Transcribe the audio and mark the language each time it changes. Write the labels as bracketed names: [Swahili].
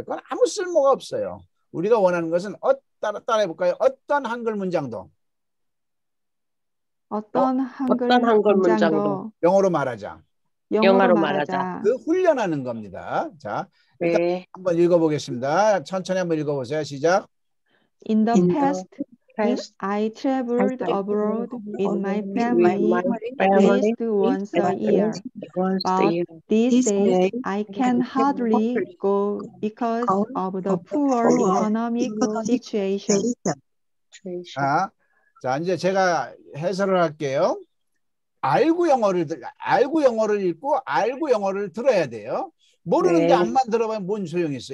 [Korean] 그건 아무 쓸모가 없어요. 우리가 원하는 것은 따라해 볼까요? 어떤 한글 문장도. 어떤 한글 문장도. 영어로 말하자. 영어로 말하자. 그 훈련하는 겁니다. 자, 네. 한번 읽어보겠습니다. 천천히 한번 읽어보세요. 시작. [English] In the past, I traveled abroad with my family at least once a year. But these days, I can hardly go because of the poor economic situation. [Korean] 아, 자, 이제 제가 해설을 할게요. 알고 영어를 읽고 들어야 돼요. 모르는데 안만 들어보면 뭔 소용이 있어.